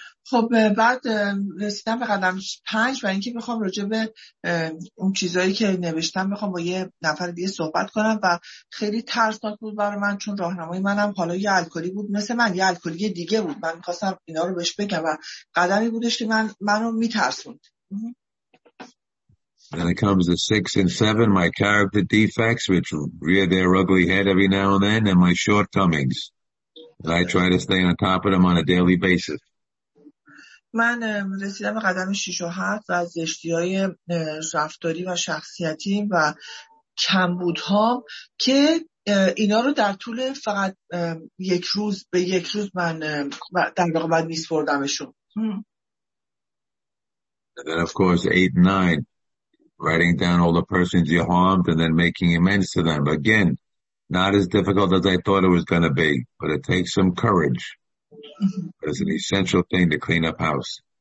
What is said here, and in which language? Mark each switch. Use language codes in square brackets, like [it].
[fa] خب بعد رسیدم به قدم پنج و اینکه بخوام راجع به اون چیزایی که نوشتم بخوام با یه نفر دیگه صحبت کنم و خیلی ترسناک بود برای من، چون راهنمای منم حالا یه الکلی بود، مثل من یه الکلی دیگه بود، من می‌خواستم اینا رو بهش بگم و قدمی بودش که منو میترسوند. [en] Then it comes to six and seven, my character defects which rear their ugly head every now and then and my shortcomings. And I try to stay on top of them on a daily basis. [fa] من رسیدم به قدم 6 و 7 و زشتی‌های رفتاری و شخصیتی و کمبودهام که اینا رو در طول فقط یک روز به یک روز من در واقع بعد میسپردمشون. [en] And then of course 8 and 9 writing down all the persons you harmed and then making amends to them. Again, not as difficult as I thought it was going to be, but it takes some courage. But it's an essential thing to clean up house.